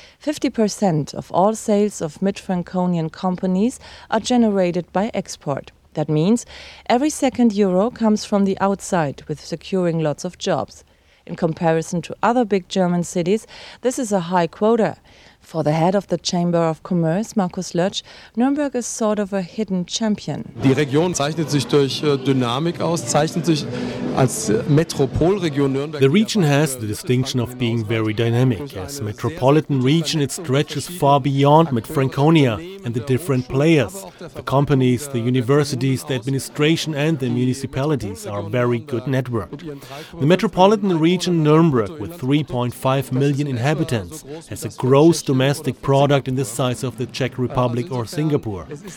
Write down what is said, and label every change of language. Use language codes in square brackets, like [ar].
[en] 50% of all sales of mid-Franconian companies are generated by export. That means every second euro comes from the outside, with securing lots of jobs. In comparison to other big German cities, this is a high quota. For the head of the Chamber of Commerce, Markus Lötsch, Nuremberg is sort of a hidden champion. [de] Die Region zeichnet sich durch Dynamik aus, zeichnet sich als Metropolregion Nürnberg. [en] The region has the distinction of being very dynamic. As metropolitan region, it stretches far beyond Mid-Franconia and the different players. The companies, the universities, the administration and the municipalities are very good networked. The metropolitan region Nuremberg, with 3.5 million inhabitants, has a gross domestic product in the size of the Czech Republic or Singapore.